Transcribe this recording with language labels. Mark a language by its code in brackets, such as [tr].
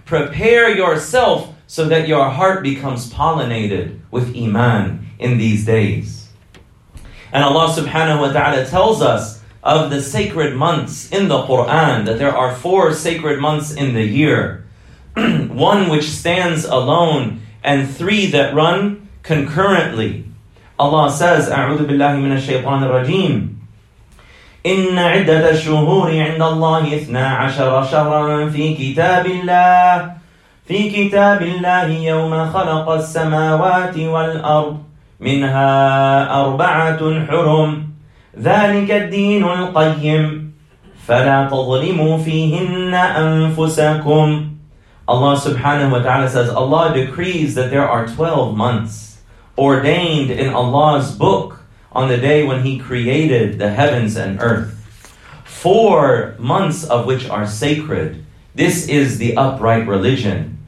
[en] Prepare yourself so that your heart becomes pollinated with iman in these days. And Allah subhanahu wa ta'ala tells us of the sacred months in the Qur'an, that there are four sacred months in the year. One which stands alone, and three that run concurrently. Allah says, [ar] أَعُوذُ بِاللَّهِ مِنَ الشَّيْطَانِ الرَّجِيمِ إِنَّ عِدَّةَ الشُّهُورِ عِنْدَ اللَّهِ اثْنَا عَشَرَ شَهْرًا فِي كِتَابِ اللَّهِ في كتاب الله يوم خلق السماوات والأرض منها أربعة حرم ذلك الدين القيم فلا تظلموا فيهن أنفسكم. [en] Allah subhanahu wa ta'ala says, Allah decrees that there are 12 months ordained in Allah's book on the day when He created the heavens and earth. 4 months of which are sacred. This is the upright religion.